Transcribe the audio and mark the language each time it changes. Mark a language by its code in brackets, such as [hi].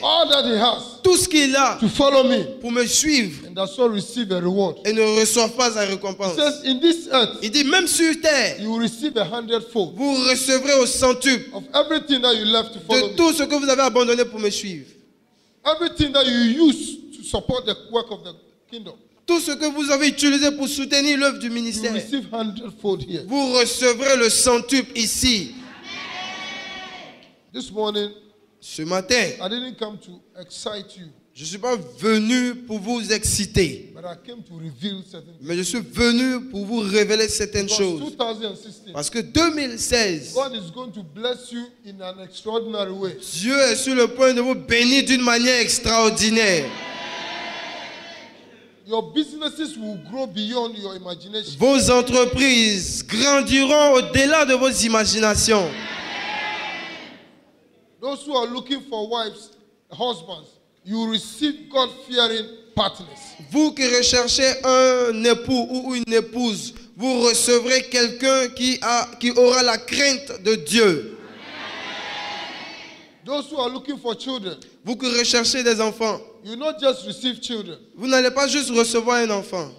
[en] all that he has, [fr] tout ce qu'il a, [en] to follow me, [fr] pour me suivre, [en] and that shall receive a reward, [fr] et ne reçoit pas sa récompense. [en] He says, in this earth, [fr] il dit même sur terre, [en] you will receive a hundredfold, [fr] vous recevrez au centuple, [en] of everything that you left to follow [fr] de tout [en] me, [fr] ce que vous avez abandonné pour me suivre, [en] everything that you use to support the work of the kingdom, [fr] tout ce que vous avez utilisé pour soutenir l'œuvre du ministère, [en] you receive hundredfold here, [fr] vous recevrez le centuple ici. [en] This morning, [fr] ce matin, [en] I didn't come to excite you, [fr] je ne suis pas venu pour vous exciter, [en] but I came to reveal certain things, [fr] mais je suis venu pour vous révéler certaines [en] because [fr] choses. [en] 2016, [fr] parce que 2016, [en] God is going to bless you in an extraordinary way. [fr] Dieu est sur le point de vous bénir d'une manière extraordinaire. [en] Your businesses will grow beyond your imagination. [fr] Vos entreprises grandiront au-delà de vos imaginations. [en] Those who are looking for wives, husbands, you receive God-fearing partners. [fr] Vous qui recherchez un époux ou une épouse, vous recevrez quelqu'un qui aura la crainte de Dieu. [en] Those who are looking for children, [fr] vous qui recherchez des enfants, [en] you not just receive children, [fr] vous n'allez pas juste recevoir un enfant,